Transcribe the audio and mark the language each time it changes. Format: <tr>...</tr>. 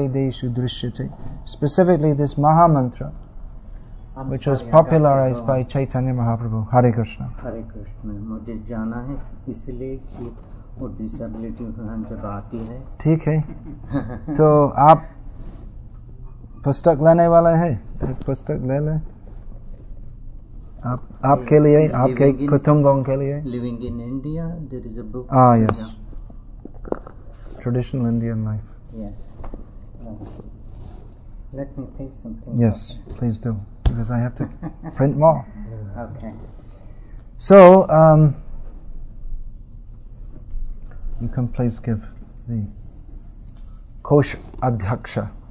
<en>Specifically this Maha Mantra, which was popularized by Chaitanya Mahaprabhu. Hare Krishna. Hare Krishna.</en> <hi>मुझे जाना है इसलिए कि वो disability हम जब आती है. ठीक है. तो आप पुस्तक लेने वाले हैं? एक पुस्तक ले ले. आपके लिए, आपके कुटुंबों के लिए.</hi> <en>Living in India, there is a book. Ah yes. Traditional Indian life. Yes. Let me say something. Yes, please do, because I have to print more. Okay. So, you can please give the Kosh Adhyaksha.</en>